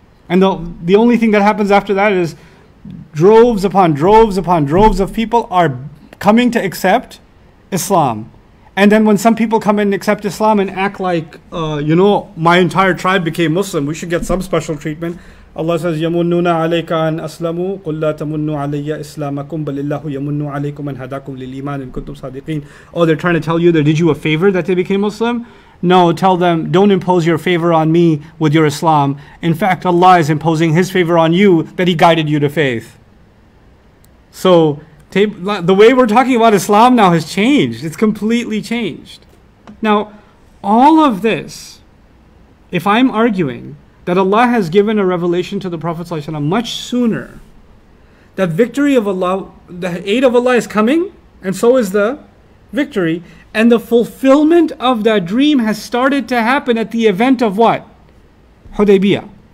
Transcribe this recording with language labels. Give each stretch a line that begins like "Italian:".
English: And the only thing that happens after that is droves upon droves upon droves of people are coming to accept Islam. And then when some people come in and accept Islam and act like, my entire tribe became Muslim, we should get some special treatment.
Arabic: Allah says, يَمُنُّونَ عَلَيْكَ أَنْ أَسْلَمُوا قُلْ لَا تَمُنُّوا عَلَيَّ إِسْلَامَكُمْ بَلِ اللَّهُ يَمُنُّ عَلَيْكُمْ أَنْ هَدَاكُمْ لِلْإِيمَانِ إِنْ كُنْتُمْ صَادِقِينَ.
English: Oh, they're trying to tell you, they did you a favor that they became Muslim? No, tell them, don't impose your favor on me with your Islam. In fact, Allah is imposing His favor on you that He guided you to faith. So, the way we're talking about Islam now has changed. It's completely changed. Now, all of this, if I'm arguing that Allah has given a revelation to the Prophet ﷺ much sooner, that victory of Allah, the aid of Allah is coming, and so is the victory, and the fulfillment of that dream has started to happen at the event of what? Hudaybiyah.